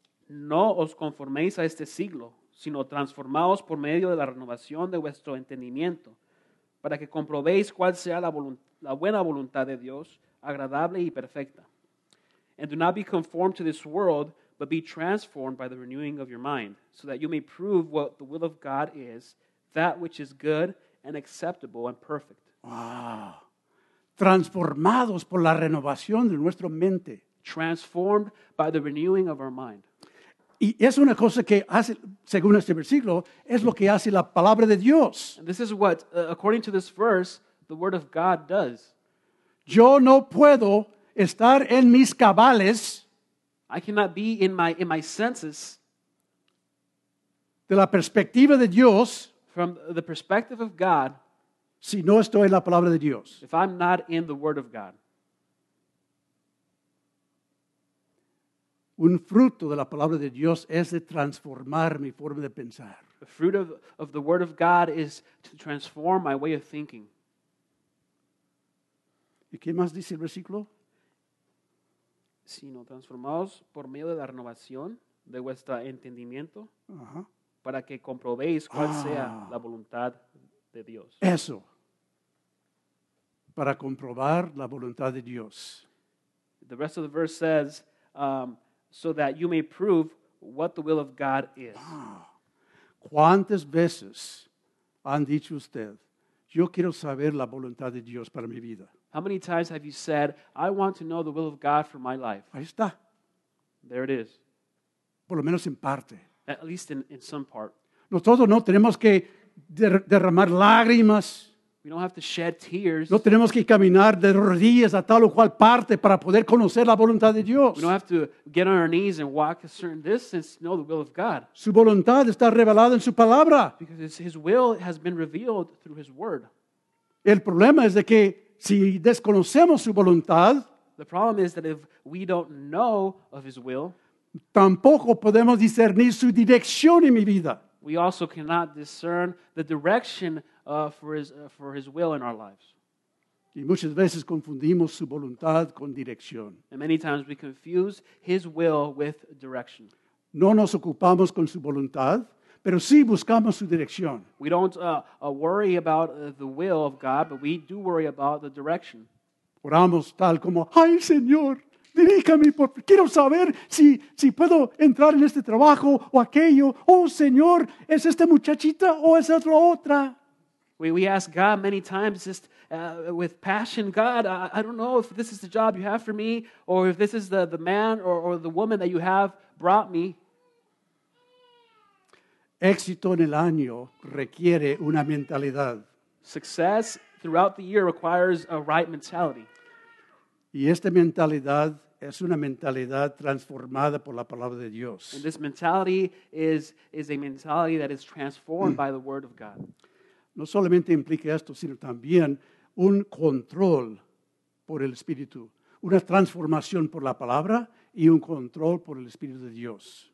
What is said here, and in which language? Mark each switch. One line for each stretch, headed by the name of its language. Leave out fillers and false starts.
Spanish: No os conforméis a este siglo, sino transformaos por medio de la renovación de vuestro entendimiento, para que comprobéis cuál sea la buena voluntad de Dios, agradable y perfecta.
English: And do not be conformed to this world, but be transformed by the renewing of your mind, so that you may prove what the will of God is, that which is good and acceptable and perfect.
Spanish: Wow. Transformados por la renovación de nuestra mente.
English: Transformed by the renewing of our mind.
Spanish: Y es una cosa que hace, según este versículo, es lo que hace la palabra de Dios.
English: And this is what, according to this verse, the word of God does.
Spanish: Yo no puedo estar en mis cabales.
English: I cannot be in my senses.
Spanish: de la perspectiva de Dios,
English: from the perspective of God,
Spanish: si no estoy en la palabra de Dios.
English: If I'm not in the Word of God.
Spanish: Un fruto de la palabra de Dios es de transformar mi forma de pensar.
English: The fruit of the Word of God is to transform my way of thinking.
Spanish: ¿Y qué más dice el versículo? Sino transformados por medio de la renovación de vuestro entendimiento para que comprobéis cuál sea la voluntad de Dios. Eso. Para comprobar la voluntad de Dios.
English: The rest of the verse says, so that you may prove what the will of God is.
Spanish: ¿Cuántas veces han dicho usted, yo quiero saber la voluntad de Dios para mi vida?
English: How many times have you said, I want to know the will of God for my life?
Spanish: Ahí está.
English: There it is.
Spanish: Por lo menos en parte.
English: At least in some part.
Spanish: Nosotros no tenemos que derramar lágrimas.
English: We don't have to shed tears.
Spanish: No tenemos que caminar de rodillas a tal o cual parte para poder conocer la voluntad de Dios.
English: We don't have to get on our knees and walk a certain distance to know the will of God.
Spanish: Su voluntad está revelada en su palabra.
English: Because his will has been revealed through his word.
Spanish: El problema es de que si desconocemos su voluntad,
English: the problem is that if we don't know of his will,
Spanish: tampoco podemos discernir su dirección en mi vida.
English: We also cannot discern the direction for his will in our lives.
Spanish: Y muchas veces confundimos su voluntad con dirección.
English: And many times we confuse his will with direction.
Spanish: No nos ocupamos con su voluntad, pero sí buscamos su dirección.
English: We don't worry about the will of God, but we do worry about the direction.
Spanish: Oramos tal como, ay Señor, dirígame, quiero saber si puedo entrar en este trabajo o aquello. Oh Señor, ¿es esta muchachita o es otra?
English: We ask God many times just with passion, God, I don't know if this is the job you have for me or if this is the man or the woman that you have brought me.
Spanish: Éxito en el año requiere una mentalidad.
English: Success throughout the year requires a right mentality.
Spanish: Y esta mentalidad es una mentalidad transformada por la palabra de Dios.
English: And this mentality is a mentality that is transformed by the word of God.
Spanish: No solamente implica esto, sino también un control por el Espíritu. Una transformación por la palabra y un control por el Espíritu de Dios.